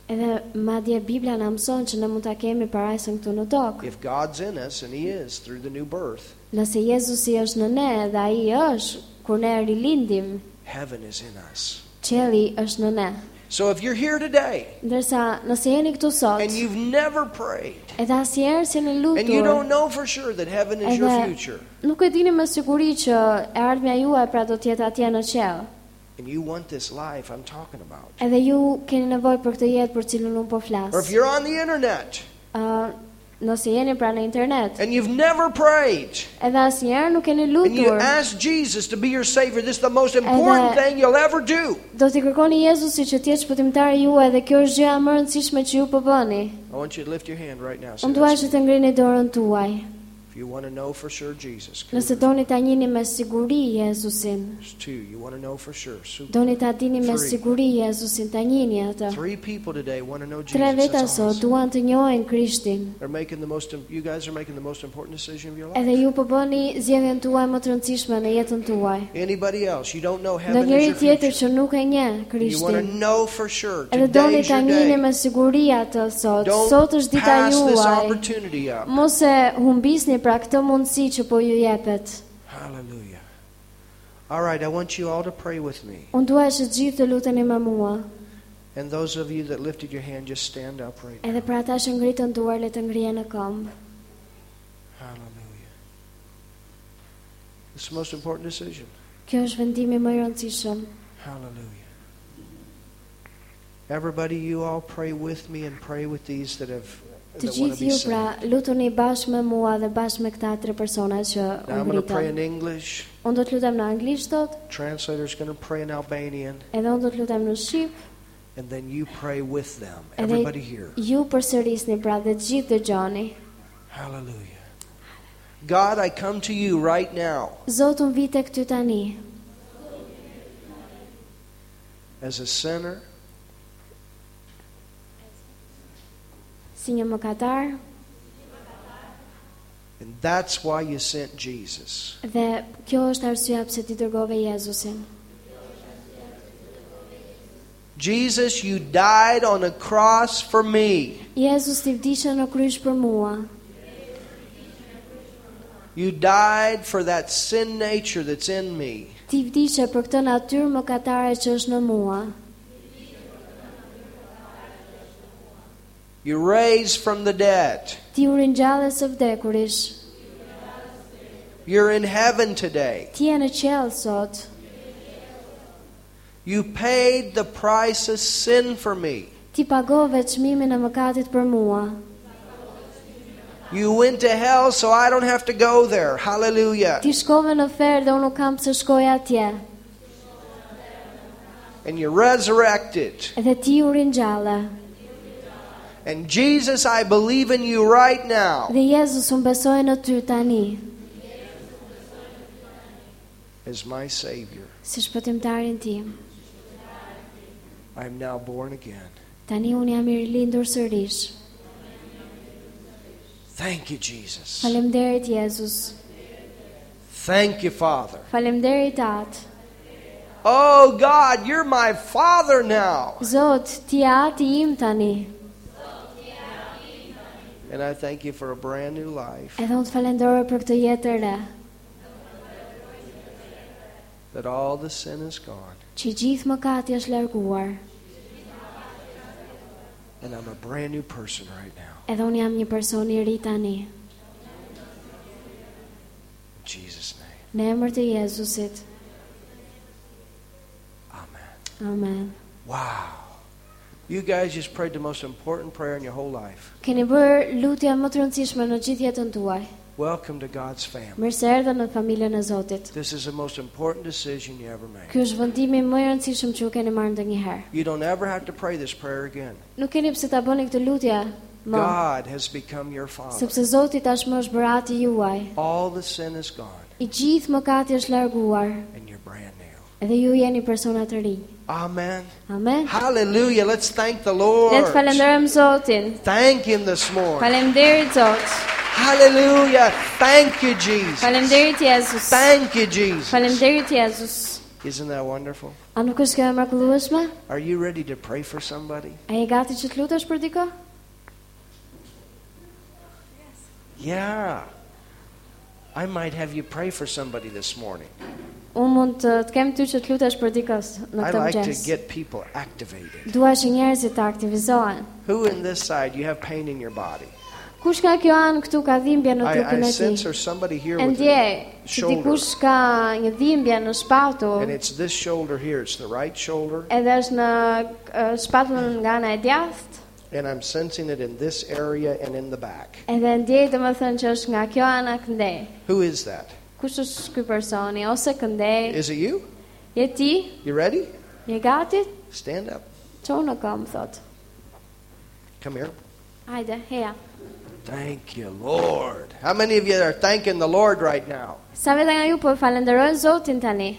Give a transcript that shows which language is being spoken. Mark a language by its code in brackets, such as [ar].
[en] If God's in us, and He is through the new birth, heaven is in us. So if you're here today, and you've never prayed, and you don't know for sure that heaven is your future, [sq] nuk e dini me siguri që ardhmja juaj pra do të jetë atje në qell. [en] And you want this life I'm talking about. [sq] Edhe ju keni nevojë për këtë jetë për cilën unë po flas. [en] Or if you're on the internet. [sq] Nëse jeni pranë internet. [en] And you've never prayed. [sq] Edhe asnjëherë nuk keni lutur. [en] And you ask Jesus to be your savior. This is the most important thing you'll ever do. [sq] Do t'i kërkoni Jezusit që të jetë shpëtimtari juaj dhe kjo është gjëja më e rëndësishme që ju po bëni. [en] I want you to lift your hand right now. [sq] Unë dua që të ngrini dorën tuaj. [en] You want to know for sure Jesus. [sq] Nëse doni ta njihni me siguri Jezusin. [en] Two, you want to know for sure. [sq] Doni ta dini me siguri Jezusin, ta njihni atë. [en] Three people today want to know Jesus. [sq] Tre veta sot duan të njohin Krishtin. [en] You guys are making the most important decision of your life. [sq] Edhe ju po bëni zgjedhjen tuaj më të rëndësishme në jetën tuaj. [en] Anybody else? You don't know heaven is your future. [sq] Do njëri tjetër që nuk e njeh Krishtin. [en] You want to know for sure. [sq] Edhe doni ta njihni me siguri atë sot. Sot është dita juaj. Mos e humbisni pra këtë mundësi që po ju jepet. [en] Hallelujah. All right, I want you all to pray with me. [sq] Unë dua që gjithë të luteni me mua. [en] And those of you that lifted your hand, just stand up right now. [sq] Edhe për ata që ngritën duar, le të ngrihen në këmbë. [en] Hallelujah. It's the most important decision. [sq] Kjo është vendimi më I rëndësishëm. [en] Hallelujah. Everybody, you all pray with me and pray with these that have [sq] Të gjithë ju pra, lutuni bashkë me mua dhe bashkë me këta tre persona që ngritën. Unë do të lutem në anglisht sot. [en] Translator's going to pray in Albanian. [sq] Edhe unë do të lutem në shqip. [en] And then you pray with them. Everybody here. [sq] Ju përsërisni pra dhe të gjithë dëgjoni. [en] Hallelujah. God, I come to you right now. [sq] Zot, unë vjen tek ty tani. [en] As a sinner, [sq] si një mëkatar. [en] And that's why you sent Jesus. [sq] Dhe kjo është arsyeja pse ti dërgove Jezusin. [en] Jesus, you died on a cross for me. [sq] Jezus, ti vdiqe në krysh për mua. [en] You died for that sin nature that's in me. [sq] Ti vdiqe për këtë natyrë mëkatare që është në mua. [en] You raised from the dead. [sq] Ti u ringjallës së vdekurish. [en] You're in heaven today. [sq] Ti je në qell sot. [en] You paid the price of sin for me. [sq] Ti pagove çmimin e mëkatit për mua. [en] You went to hell so I don't have to go there. Hallelujah. [sq] Ti shkove në ferr dhe unë nuk kam pse shkoj atje. [en] And you resurrected. [sq] Dhe ti u ringjallë. [en] And Jesus, I believe in you right now. [sq] Dhe Jezus, unë besoj në ty tani. [en] As my Savior. [sq] Si shpëtimtarin tim. [en] I am now born again. [sq] Tani unë jam I rilindur sërish. [en] Thank you, Jesus. [sq] Faleminderit, Jezus. [en] Thank you, Father. [sq] Faleminderit, Atë. [en] Oh, God, you're my Father now. [sq] Zot, ti Ati im tani. [en] And I thank you for a brand new life. [sq] Edhe unë falenderoj për këtë jetë të re. [en] That all the sin is gone. [sq] Që gjithë mëkati është larguar. [en] And I'm a brand new person right now. [sq] Edhe unë jam një person I ri tani. [en] Jesus' name. [sq] Në emër të Jezusit. [en] Amen. [sq] Amen. [en] Wow. You guys just prayed the most important prayer in your whole life. [sq] Keni bër lutja më të rëndësishme në gjithë jetën tuaj. [en] Welcome to God's family. [sq] Mirëserdha në familjen e Zotit. [en] This is the most important decision you ever made. [sq] Ky është vendimi më i rëndësishëm që u keni marrë ndonjëherë. [en] You don't ever have to pray this prayer again. [sq] Nuk keni pse ta bëni këtë lutje më. [en] God has become your father. [sq] Sepse Zoti tashmë është bërë ati juaj. [en] All the sin is gone. [sq] I gjithë mëkati është larguar. [en] And you're brand new. [sq] Edhe ju jeni persona të ri. [en] Amen. [sq] Amen. [en] Hallelujah. Let's thank the Lord. [sq] Le të falenderojm Zotin. [en] Thank him this morning. [sq] Faleminderit Zot. [en] Hallelujah. Thank you, Jesus. [sq] Faleminderit Jezus. [en] Thank you, Jesus. [sq] Faleminderit Jezus. [en] Isn't that wonderful? [sq] A nuk është kjo e mrekullueshme? [en] Are you ready to pray for somebody? [sq] A je gati që të lutesh për dikë? [en] Yeah. I might have you pray for somebody this morning. [sq] Unë mund të kem ty që të lutesh për dikë në këtë mëngjes. [en] I like to get people activated. [sq] Dua që njerëzit të aktivizohen. [en] Who in this side you have pain in your body? [sq] Kush ka kjo anë këtu ka dhimbje në trupin e tij? Ndjej [en] somebody here and with a shoulder. [sq] Dikush ka një dhimbje në shpatull. [en] And it's this shoulder here, it's the right shoulder. [sq] Edhe është në shpatullën nga ana e djathtë. [en] And I'm sensing it in this area and in the back. [sq] Edhe ndjej domethënë që është nga kjo anë këndej. [en] Who is that? [sq] Kush është ky personi ose këndej? [en] Is it you? [sq] Je ti? [en] You ready? [sq] Je gati? [en] Stand up. [sq] Çon akam thot. [en] Come here. [sq] Hajde, [en] here. Thank you, Lord. How many of you are thanking the Lord right now? [sq] Sa vetë nga ju po falenderojnë Zotin tani.